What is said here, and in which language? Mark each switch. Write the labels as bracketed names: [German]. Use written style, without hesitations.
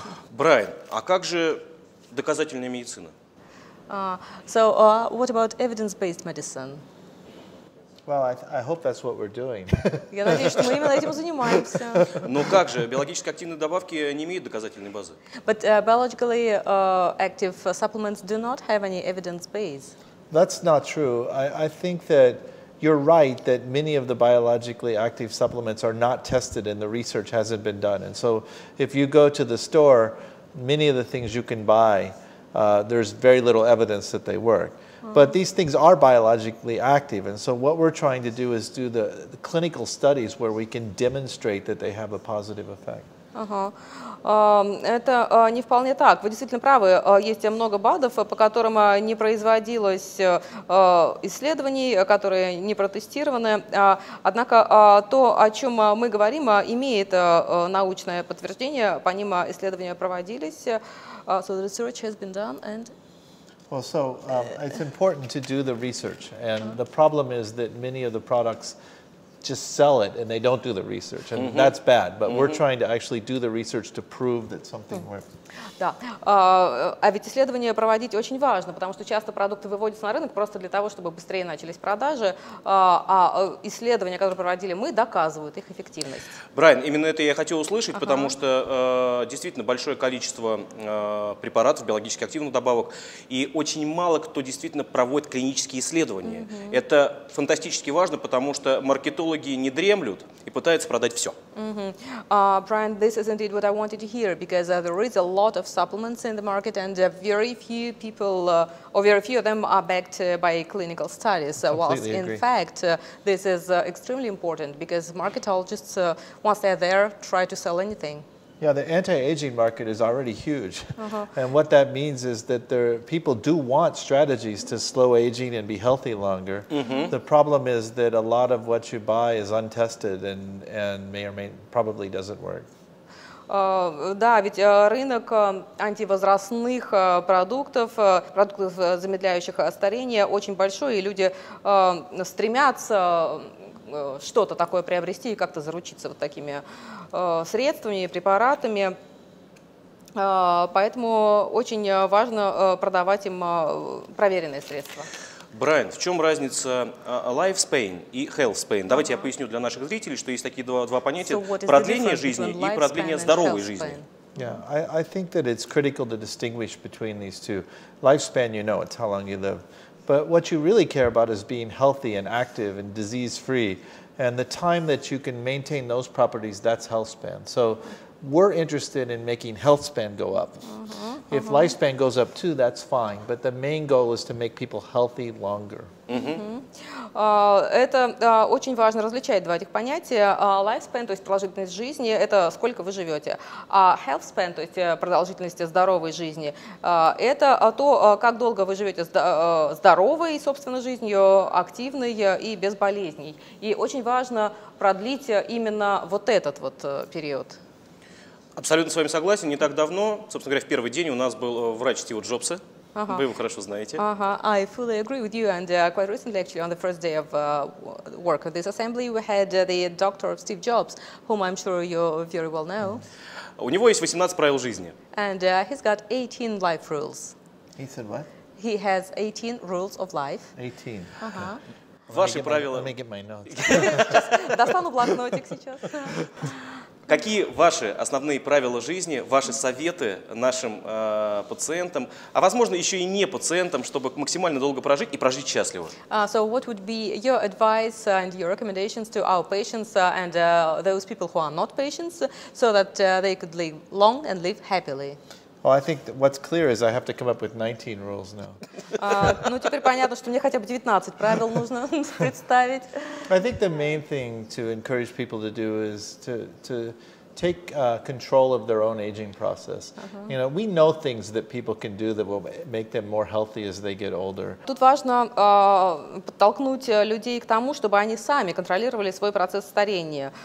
[Russian] Брайан, а как же доказательная медицина? [English] What about evidence-based medicine? Well, I hope that's what we're doing. [Russian] Я надеюсь, что мы именно этим занимаемся. Но как же? Биологически активные добавки не имеют доказательной базы. [English] But biologically active supplements do not have any evidence base. That's not true. I think that you're right that many of the biologically active supplements are not tested and the research hasn't been done. And so if you go to the store, many of the things you can buy, there's very little evidence that they work. But these things are biologically active, and so what we're trying to do is do the clinical studies where we can demonstrate that they have a positive effect. [Russian] Это не вполне так. Вы действительно правы, есть много БАДов, по которым не производилось исследований, которые не протестированы. Однако то, о чем мы говорим, имеет научное подтверждение, по ним исследования проводились. [English] So the research has been done and... Well, so it's important to do the research, and the problem is that many of the products just sell it and they don't do the research, and mm-hmm. that's bad, but mm-hmm. we're trying to actually do the research to prove that something mm-hmm. works. [Russian] Да. А ведь исследования проводить очень важно, потому что часто продукты выводятся на рынок просто для того, чтобы быстрее начались продажи, а исследования, которые проводили мы, доказывают их эффективность. Брайан, именно это я хотел услышать, uh-huh. потому что действительно большое количество препаратов, биологически активных добавок, и очень мало кто действительно проводит клинические исследования. Uh-huh. Это фантастически важно, потому что маркетологи не дремлют и пытаются продать все. [English] Brian, this is indeed what I wanted to hear, because there is a lot of supplements in the market, and very few people, or very few of them, are backed by clinical studies. Whilst agree. In fact, this is extremely important, because marketologists, once they're there, try to sell anything. Yeah, the anti-aging market is already huge, uh-huh. and what that means is that there people do want strategies to slow aging and be healthy longer. Mm-hmm. The problem is that a lot of what you buy is untested and may or may probably doesn't work. [Russian] Да, ведь рынок антивозрастных продуктов, продуктов, замедляющих старение, очень большой, и люди стремятся что-то такое приобрести и как-то заручиться вот такими средствами, препаратами. Поэтому очень важно продавать им проверенные средства. Брайан, в чем разница lifespan и healthspan? Давайте я поясню для наших зрителей, что есть такие два понятия: продление жизни и продление здоровой жизни. [English] Yeah, I think that it's critical to distinguish between these two. Lifespan, you know, it's how long you live. But what you really care about is being healthy and active and disease-free. And the time that you can maintain those properties, that's healthspan. So we're interested in making healthspan go up. If lifespan goes up too, that's fine. But the main goal is to make people healthy longer. [Russian] Это очень важно различать два этих понятия. Lifespan, то есть продолжительность жизни, это сколько вы живете. А healthspan, то есть продолжительность здоровой жизни, это то, как долго вы живете здоровой, собственно, жизнью, активной и без болезней. И очень важно продлить именно вот этот вот период. Абсолютно с вами согласен. Не так давно, собственно говоря, в первый день у нас был врач Стива Джобса. Uh-huh. Вы его хорошо знаете. [English] I fully agree with you, and quite recently, actually, on the first day of work of this assembly, we had the doctor of Steve Jobs, whom I'm sure you very well know. [Russian] У него есть 18 правил жизни. [English] And he's got 18 life rules. He said what? He has 18 rules of life. 18. Ваши правила... Let me get my notes. [Russian] Достану блокнотик сейчас. Какие ваши основные правила жизни, ваши советы нашим пациентам, а возможно еще и не пациентам, чтобы максимально долго прожить и прожить счастливо? [English] So what would be your advice and your recommendations to our patients and those people who are not patients, so that they could live long and live happily? Well, I think what's clear is I have to come up with 19 rules now. [Russian] Ну теперь понятно, что мне хотя бы 19 правил нужно представить. [English] I think the main thing to encourage people to do is to take control of their own aging process. Uh-huh. You know, we know things that people can do that will make them more healthy as they get older. [Russian] Тут важно подтолкнуть людей к тому, чтобы они сами контролировали свой процесс старения.